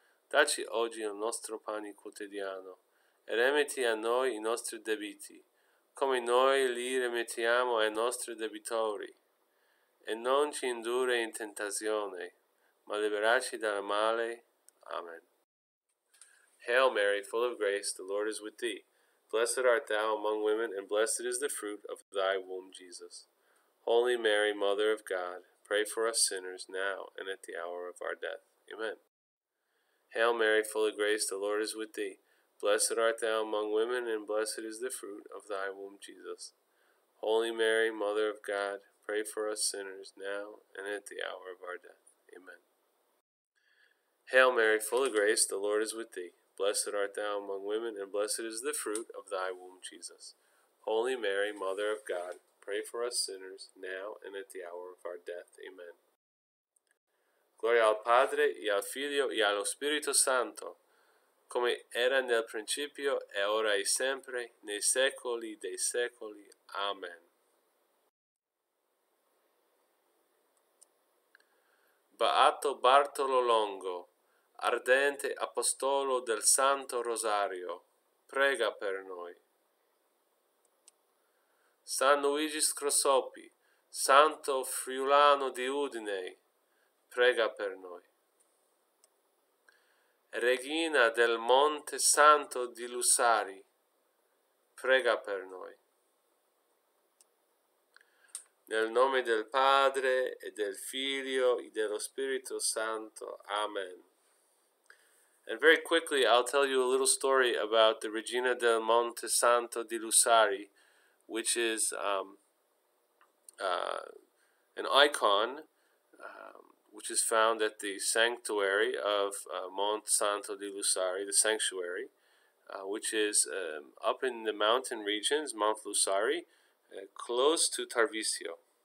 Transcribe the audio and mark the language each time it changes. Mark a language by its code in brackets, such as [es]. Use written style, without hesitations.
[it] Dacci oggi il nostro pane quotidiano, e remetti a noi i nostri debiti, come noi li remettiamo ai nostri debitori. E non ci indurre in tentazione, ma liberarci dal male. Amen. [en] Hail Mary, full of grace, the Lord is with thee. Blessed art thou among women, and blessed is the fruit of thy womb, Jesus. Holy Mary, Mother of God, pray for us sinners now and at the hour of our death. Amen. Hail Mary, full of grace, the Lord is with thee. Blessed art thou among women, and blessed is the fruit of thy womb, Jesus. Holy Mary, Mother of God, pray for us sinners now and at the hour of our death. Amen. Hail Mary, full of grace, the Lord is with thee. Blessed art thou among women, and blessed is the fruit of thy womb, Jesus. Holy Mary, Mother of God, pray for us sinners, now and at the hour of our death. Amen. [it] Gloria al Padre, y al Figlio, y allo Spirito Santo, come era nel principio, e ora e sempre, nei secoli dei secoli. Amen. Beato Bartolo Longo, ardente apostolo del Santo Rosario, prega per noi. San Luigi Scrosopi, santo friulano di Udine, prega per noi. Regina del Monte Santo di Lusari, prega per noi. Nel nome del Padre, e del Figlio, e dello Spirito Santo. Amen. [en] And very quickly, I'll tell you a little story about the Regina del Monte Santo di Lusari, which is an icon which is found at the sanctuary of Mont Santo di Lusari, the sanctuary, which is up in the mountain regions, Mount Lusari, close to Tarvisio.